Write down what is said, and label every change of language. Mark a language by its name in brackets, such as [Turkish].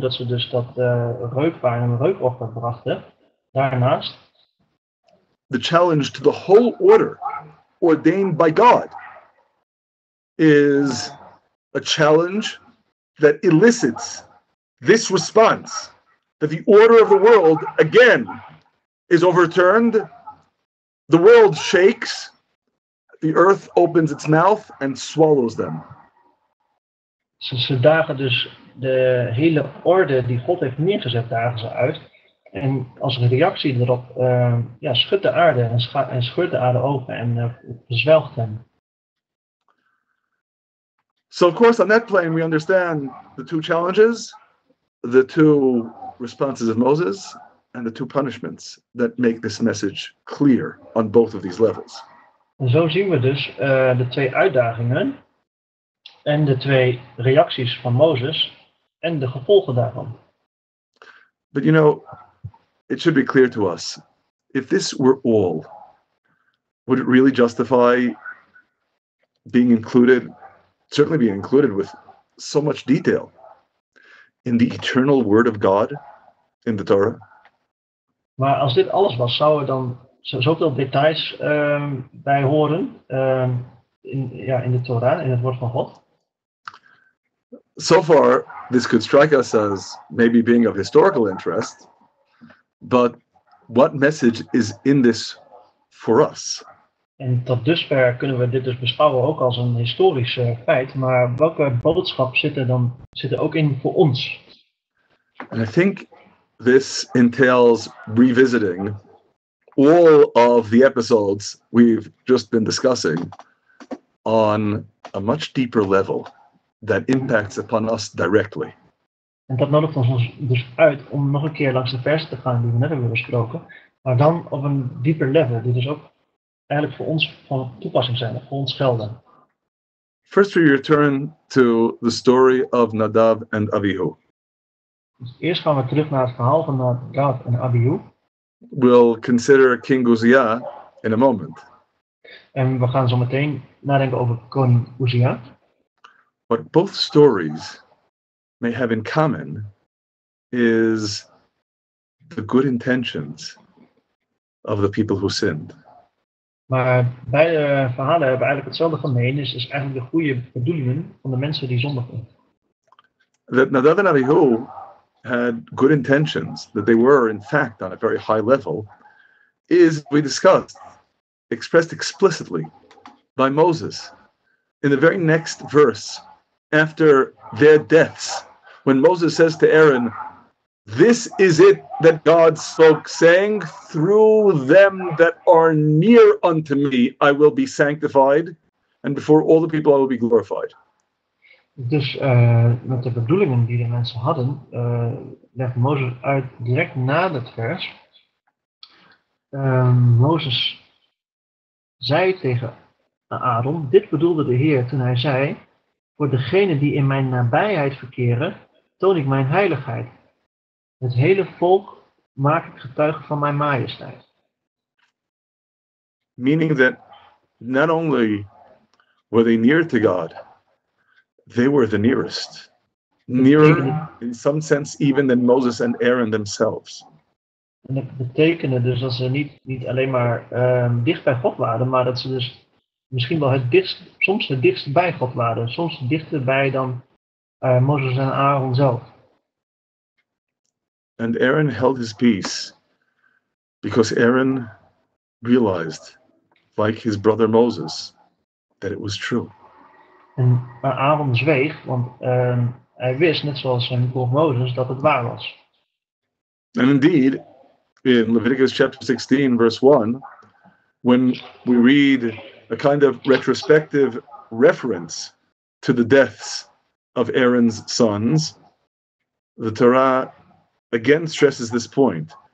[Dutch] Dat ze dus dat reukwaar en reukoffer brachten. Daarnaast. [English] The challenge to the whole order ordained by God is a challenge that elicits this response. That the order of the world again is overturned. The world shakes, the earth opens its mouth and swallows them. [Dutch] Ze dagen dus de hele orde die God heeft neergezet, dagen ze uit. En als reactie erop schudt de aarde en scheurt de aarde open en verzwelgt hem. [English] So of course on that plane we understand the two challenges, the two responses of Moses. And the two punishments that make this message clear on both of these levels. [Dutch] En zo zien we dus de twee uitdagingen en de twee reacties van Mozes en de gevolgen daarvan. [English] But you know, it should be clear to us, if this were all, would it really justify being included, certainly being included with so much detail in the eternal word of God, in the Torah? [Dutch] Maar als dit alles was, zou er dan zoveel details bij horen in de Torah, in het woord van God? [English] So far, this could strike us as maybe being of historical interest, but what message is in this for us? [Dutch] En tot dusver kunnen we dit dus beschouwen ook als een historisch feit, maar welke boodschap zit er ook in voor ons? [English] And I think this entails revisiting all of the episodes we've just been discussing on a much deeper level that impacts upon us directly. [Dutch] En dat nodigt ons dus uit om nog een keer langs de versen te gaan die we net hebben besproken, maar dan op een dieper level, die dus ook eigenlijk voor ons van toepassing zijn, voor ons gelden. [English] First we return to the story of Nadav and Abihu. [Dutch] Dus eerst gaan we terug naar het verhaal van Nadav en Abihu. [English] We'll consider King Uzziah in a moment. [Dutch] En we gaan zo meteen nadenken over koning Uzziah. [English] What both stories may have in common is the good intentions of the people who sinned. [Dutch] Maar beide verhalen hebben eigenlijk hetzelfde gemeen, is eigenlijk de goede bedoelingen van de mensen die zondigden. [English] That Nadav and Abihu had good intentions, that they were in fact on a very high level, is, we discussed, expressed explicitly by Moses in the very next verse after their deaths, when Moses says to Aaron, "This is it that God spoke, saying, through them that are near unto me, I will be sanctified, and before all the people I will be glorified." [Dutch] Dus met de bedoelingen die de mensen hadden, legt Mozes uit direct na dat vers. Mozes zei tegen Aaron, dit bedoelde de Heer toen hij zei, voor degenen die in mijn nabijheid verkeren, toon ik mijn heiligheid. Het hele volk maak ik getuige van mijn majesteit. [English] Meaning that not only were they near to God, they were the nearest. Nearer in some sense even than Moses and Aaron themselves. [Dutch] En dat betekende dus dat ze niet alleen maar dicht bij God waren, maar dat ze dus misschien wel het dichtst bij God waren. Soms dichter bij dan Moses en Aaron zelf. [English] And Aaron held his peace because Aaron realized, like his brother Moses, that it was true. [Dutch] En Aaron zweeg, want hij wist, net zoals zijn broer Mozes, dat het waar was. [English] And indeed, in Leviticus chapter 16, verse 1, when we read a kind of retrospective reference to the deaths of Aaron's sons, the Torah again stresses this point.